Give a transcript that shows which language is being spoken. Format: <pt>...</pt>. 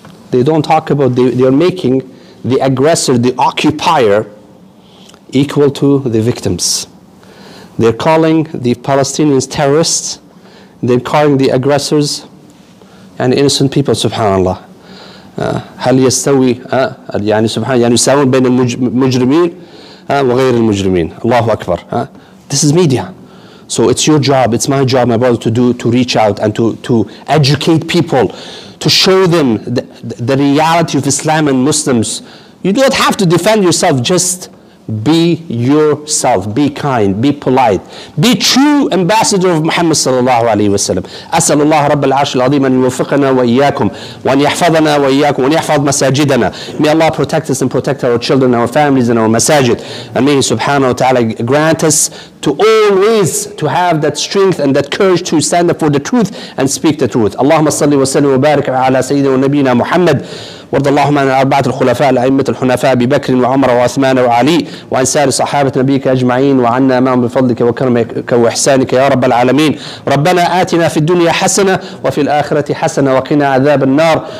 <en>They don't talk about, they are making the aggressor, the occupier, equal to the victims. They're calling the Palestinians terrorists. They're calling the aggressors and innocent people, subhanAllah.</en> <ar>هل يستوي يعني سبحان يعني يساوون بين المجرمين وغير المجرمين الله أكبر.</ar> <en>This is media, so it's your job, it's my job, my brother, to do, to reach out and to educate people, to show them the reality of Islam and Muslims. You don't have to defend yourself, just be yourself, be kind, be polite, be true ambassador of Muhammad sallallahu alayhi wa sallam.</en> <ar>أسأل الله رب العرش العظيم أن يوفقنا وإياكم وأن يحفظنا وإياكم وأن يحفظ مساجدنا.</ar> <en>May Allah protect us and protect our children, our families and our masajid. And may He subhanahu wa ta'ala grant us to always to have that strength and that courage to stand up for the truth and speak the truth.</en> <ar>اللهم صلي وسلم وبارك على سيدنا ونبينا محمد وارض اللهم عن الأربعة الخلفاء الأئمة الحنفاء أبي بكر وعمر وعثمان وعلي وعن سائر صحابة نبيك أجمعين وعنا معهم بفضلك وكرمك وإحسانك يا رب العالمين. ربنا آتنا في الدنيا حسنة وفي الآخرة حسنة وقنا عذاب النار.</ar>